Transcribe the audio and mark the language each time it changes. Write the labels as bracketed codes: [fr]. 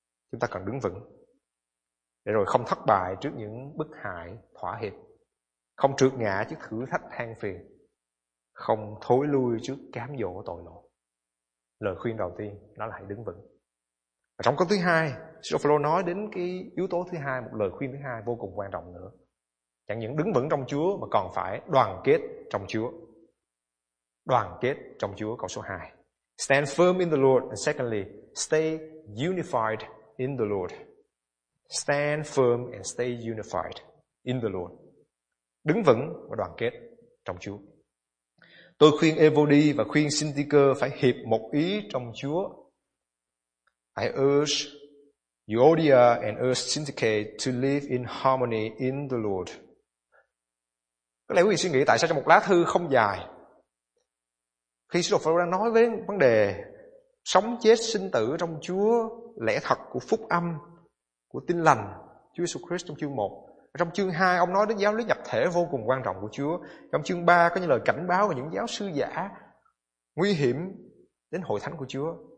[vi] Chúng ta cần đứng vững để rồi không thất bại trước những bức hại thỏa hiệp, không trượt ngã trước thử thách than phiền, không thối lui trước cám dỗ tội lỗi. Lời khuyên đầu tiên nó là hãy đứng vững. Và trong câu thứ hai, Sophlo nói đến cái yếu tố thứ hai, một lời khuyên thứ hai vô cùng quan trọng nữa. Chẳng những đứng vững trong Chúa mà còn phải đoàn kết trong Chúa. Đoàn kết trong Chúa, câu số 2. [en] Stand firm in the Lord, and secondly, stay unified in the Lord. Stand firm and stay unified in the Lord. [vi] Đứng vững và đoàn kết trong Chúa. Tôi khuyên Evody và khuyên Syntyche phải hiệp một ý trong Chúa. [en] I urge Euodia and Eutychus to live in harmony in the Lord. [vi] Có lẽ quý vị suy nghĩ tại sao trong một lá thư không dài, khi sứ đồ Phao-lô đang nói về vấn đề sống chết sinh tử trong Chúa, lẽ thật của phúc âm của tin lành Chúa Jesus Christ trong chương 1. Trong chương 2 ông nói đến giáo lý nhập thể vô cùng quan trọng của Chúa. Trong chương 3 có những lời cảnh báo về những giáo sư giả nguy hiểm đến hội thánh của Chúa.